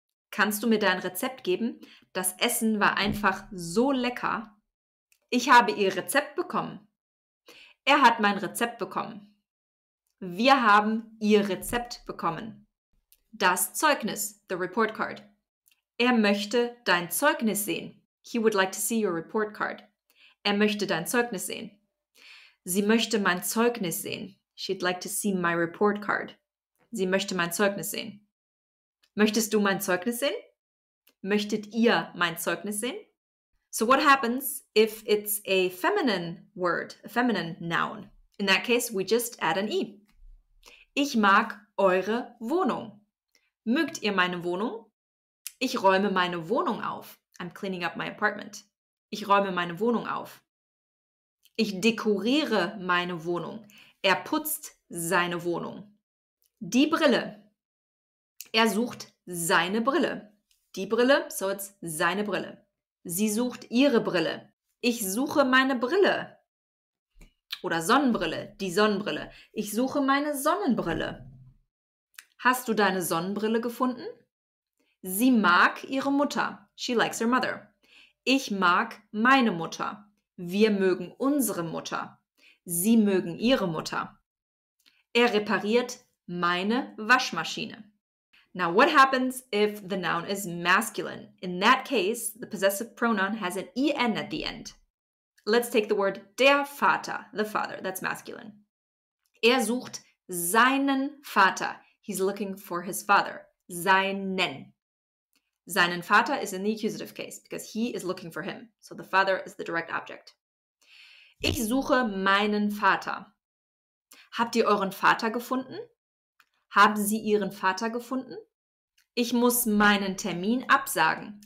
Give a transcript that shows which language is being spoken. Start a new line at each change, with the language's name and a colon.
German: Kannst du mir dein Rezept geben? Das Essen war einfach so lecker. Ich habe ihr Rezept bekommen. Er hat mein Rezept bekommen. Wir haben ihr Rezept bekommen. Das Zeugnis,
English: the report card.
German: Er möchte dein Zeugnis sehen.
English: He would like to see your report card.
German: Er möchte dein Zeugnis sehen. Sie möchte mein Zeugnis sehen.
English: She'd like to see my report card.
German: Sie möchte mein Zeugnis sehen. Möchtest du mein Zeugnis sehen? Möchtet ihr mein Zeugnis sehen?
English: So what happens if it's a feminine word, a feminine noun? In that case, we just add an E.
German: Ich mag eure Wohnung. Mögt ihr meine Wohnung? Ich räume meine Wohnung auf.
English: I'm cleaning up my apartment.
German: Ich räume meine Wohnung auf. Ich dekoriere meine Wohnung. Er putzt seine Wohnung. Die Brille. Er sucht seine Brille. Die Brille,
English: so it's
German: seine Brille. Sie sucht ihre Brille. Ich suche meine Brille. Oder Sonnenbrille, die Sonnenbrille. Ich suche meine Sonnenbrille. Hast du deine Sonnenbrille gefunden? Sie mag ihre Mutter.
English: She likes her mother.
German: Ich mag meine Mutter. Wir mögen unsere Mutter. Sie mögen ihre Mutter. Er repariert meine Waschmaschine.
English: Now what happens if the noun is masculine? In that case, the possessive pronoun has an en at the end. Let's take the word der Vater, the father, that's masculine.
German: Er sucht seinen Vater.
English: He's looking for his father. Seinen. Seinen Vater is in the accusative case because he is looking for him. So the father is the direct object.
German: Ich suche meinen Vater. Habt ihr euren Vater gefunden? Haben Sie Ihren Vater gefunden? Ich muss meinen Termin absagen.